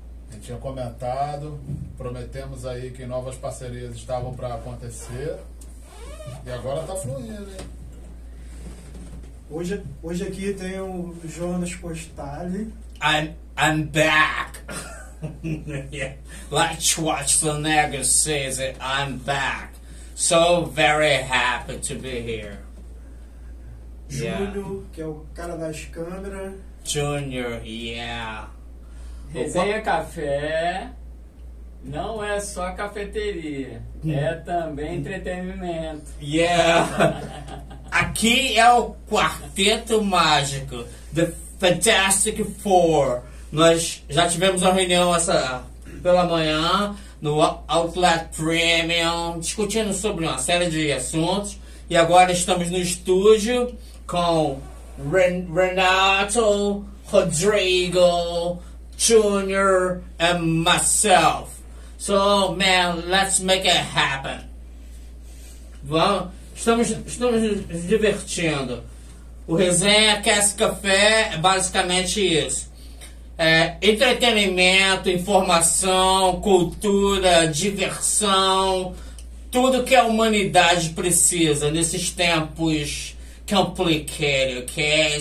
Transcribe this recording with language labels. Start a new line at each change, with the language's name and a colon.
Portuguese: A gente tinha comentado, prometemos aí que novas parcerias estavam para acontecer. E agora tá fluindo, hein? Hoje aqui tem o Jonas Postale.
English: I'm back! Yeah. Like Schwarzenegger says it, I'm back. So very happy to be here.
Portuguese: Júnior, que é o cara das câmeras. Júnior, yeah. Resenha Café não é só cafeteria, é também entretenimento. Yeah. Aqui é o quarteto mágico, The Fantastic Four. Nós já tivemos uma reunião essa pela manhã no Outlet Premium, discutindo sobre uma série de assuntos. E agora estamos no estúdio com Renato, Rodrigo, Junior e myself.
English: So, man, let's make it happen.
Portuguese: Vamos, estamos nos divertindo. O Resenha Cast Café é basicamente isso. É, entretenimento, informação, cultura, diversão, tudo que a humanidade precisa nesses tempos complicados, ok?